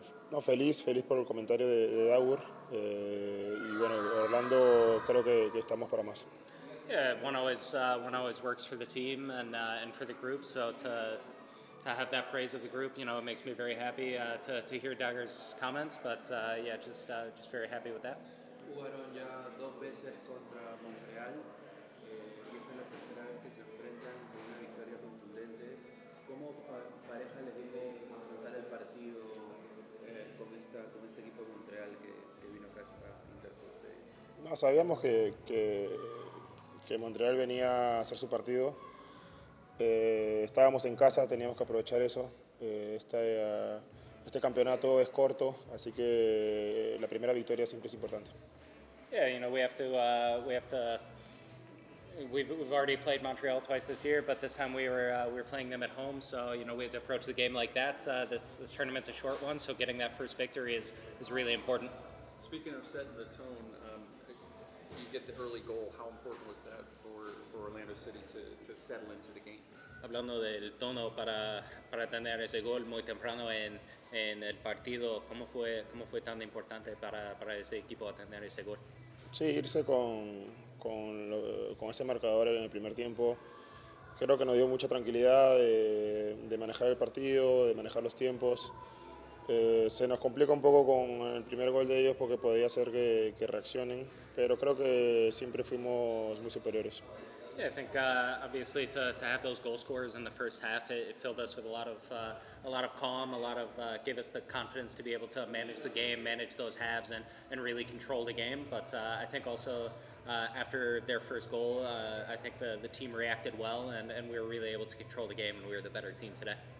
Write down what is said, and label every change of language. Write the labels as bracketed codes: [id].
[es] No, feliz por el comentario de Daur. Y bueno, Orlando, creo que estamos para más. [en] Yeah, one always works for the team and for the group, so to have that praise of the group, you know, it makes me very happy to hear Dagger's comments, but just very happy with that. [es] Jugaron ya dos veces contra Montreal, y esa es la tercera vez que se enfrentan con una victoria contundente. ¿Cómo pareja les dijo afrontar el partido con este equipo de Montreal que vino acá a Intercoste? No, sabíamos que Montreal venía a hacer su partido. Estábamos en casa, teníamos que aprovechar eso. Este campeonato es corto, así que la primera victoria siempre es importante. [en] Yeah, you know, we've already played Montreal twice this year, but this time we were playing them at home, so you know, we have to approach the game like that. This tournament's a short one, so getting that first victory is really important. Speaking of setting the tone, you get the early goal. How important was that for Orlando City to settle into the game? [es] Hablando del tono para tener ese gol muy temprano en el partido, ¿cómo fue tan importante para ese equipo tener ese gol? Sí, irse con ese marcador en el primer tiempo, creo que nos dio mucha tranquilidad de manejar el partido, de manejar los tiempos. Se nos complica un poco con el primer gol de ellos porque podía ser que reaccionen, pero creo que siempre fuimos muy superiores. [en] Yeah, I think obviously to have those goal scorers in the first half, it filled us with a lot of calm, gave us the confidence to be able to manage the game, manage those halves, and really control the game. But I think also after their first goal, I think the team reacted well, and we were really able to control the game, and we were the better team today.